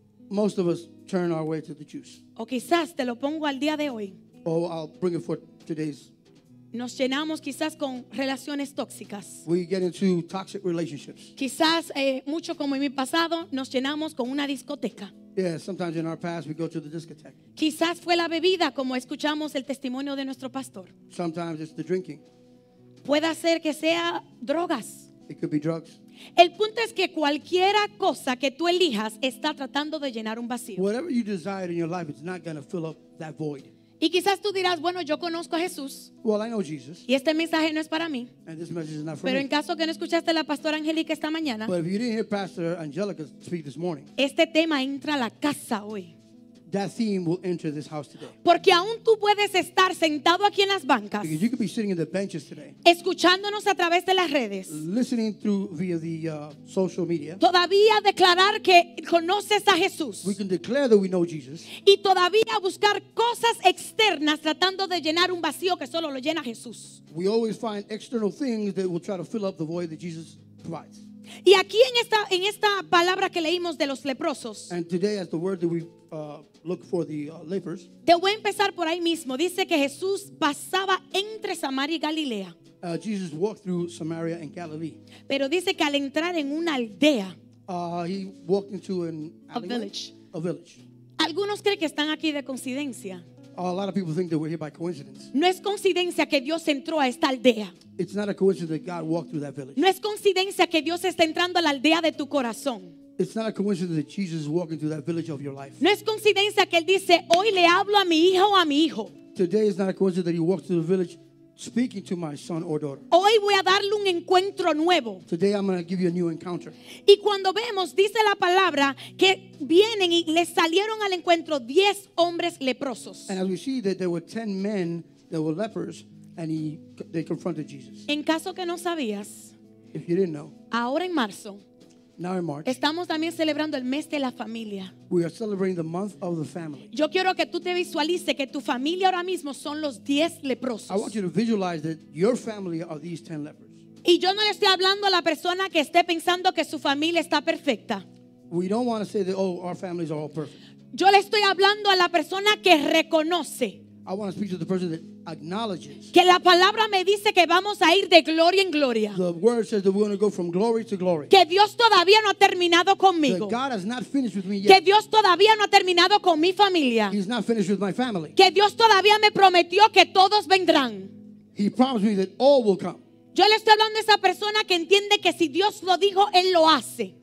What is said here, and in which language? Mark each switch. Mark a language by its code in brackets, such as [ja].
[en] Most of us turn our way to the juice. [es] O quizás te lo pongo al día de hoy. [en] Or I'll bring it for today's. [es] Nos llenamos quizás con relaciones tóxicas. [en] We get into toxic relationships. [es] Quizás mucho como en mi pasado, nos llenamos con una discoteca. [en] Yeah, sometimes in our past we go to the discotheque. [es] Quizás fue la bebida, como escuchamos el testimonio de nuestro pastor. [en] Sometimes it's the drinking. [es] Puede ser que sea drogas. [en] It could be drugs. [es] El punto es que cualquiera cosa que tú elijas está tratando de llenar un vacío. [en] Whatever you desire in your life, it's not going to fill up that void. [es] Y quizás tú dirás, bueno, yo conozco a Jesús. [en] Well, I know Jesus. [es] Y este mensaje no es para mí. [en] And this message is not for [es] pero [en] me. [es] En caso que no escuchaste a la pastora Angélica esta mañana. [en] But if you didn't hear Pastor Angelica speak this morning. [es] Este tema entra a la casa hoy. [en] That theme will enter this house today. [es] Porque aún tú puedes estar sentado aquí en las bancas. [en] Because you could be sitting in the benches today. [es] Escuchándonos a través de las redes. [en] Listening through via the social media. [es] Todavía declarar que conoces a Jesús. [en] We can declare that we know Jesus. [es] Y todavía buscar cosas externas tratando de llenar un vacío que solo lo llena Jesús. [en] We always find external things that will try to fill up the void that Jesus provides. [es] Y aquí en esta palabra que leímos de los leprosos. [en] And today as the word that we look for the lepers. [es] Te voy a empezar por ahí mismo. Dice que Jesús pasaba entre Samaria y Galilea. [en] Jesus walked through Samaria and Galilee. [es] Pero dice que al entrar en una aldea. [en] He walked into an alleyway, a village. [es] Algunos creen que están aquí de coincidencia. [en] A lot of people think that we're here by coincidence. [es] No es coincidencia que Dios entró a esta aldea. [en] It's not a coincidence that God walked through that village. [es] No es coincidencia que Dios está entrando a la aldea de tu corazón. [en] It's not a coincidence that Jesus is walking through that village of your life. [es] No es coincidencia que él dice, hoy le hablo a mi hijo o a mi hijo. [en] Today is not a coincidence that he walked through the village speaking to my son or daughter. [es] Hoy voy a darle un encuentro nuevo. [en] Today I'm going to give you a new encounter. [es] Y cuando vemos, dice la palabra, que vienen y le salieron al encuentro 10 hombres leprosos. [en] And as we see that there were 10 men that were lepers, and they confronted Jesus. [es] En caso que no sabías, [en] if you didn't know, [es] ahora en marzo, [en] now in March, [es] estamos también celebrando el mes de la familia. [en] We are celebrating the month of the family. [es] Yo quiero que tú te visualices que tu familia ahora mismo son los 10 leprosos. [en] I want you to visualize that your family are these 10 lepers. [es] Y yo no le estoy hablando a la persona que esté pensando que su familia está perfecta. [en] We don't want to say that, oh, our families are all perfect. [es] Yo le estoy hablando a la persona que reconoce. [en] I want to speak to the person that acknowledges. [es] Que la palabra me dice que vamos a ir de gloria en gloria. [en] The word says that we're going to go from glory to glory. [es] Que Dios todavía no ha terminado conmigo. [en] That God has not finished with me yet. [es] Que Dios todavía no ha terminado con mi familia. [en] He's not finished with my family. [es] Que Dios todavía me prometió que todos vendrán. [en] He promised me that all will come. [es] Yo le estoy hablando a esa persona que entiende que si Dios lo dijo, él lo hace.